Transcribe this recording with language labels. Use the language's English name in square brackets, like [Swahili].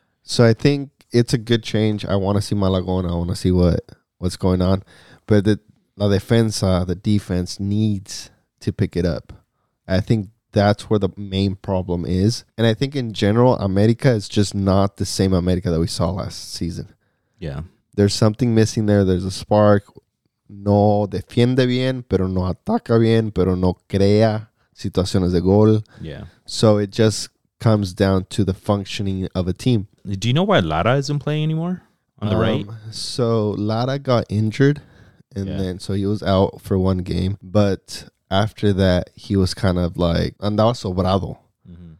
[English] So I think it's a good change. I want to see Malagon. I want to see what's going on. But the defense needs to pick it up. I think that's where the main problem is. And I think in general, America is just not the same America that we saw last season. Yeah. There's something missing there. There's a spark. [Spanish] No defiende bien, pero no ataca bien, pero no crea situaciones de gol. [English] Yeah. So it just comes down to the functioning of a team. Do you know why Lara isn't playing anymore on the right? So Lara got injured. And then, so he was out for one game. But after that, he was kind of like [Spanish] andaba sobrado. [English] Mm-hmm.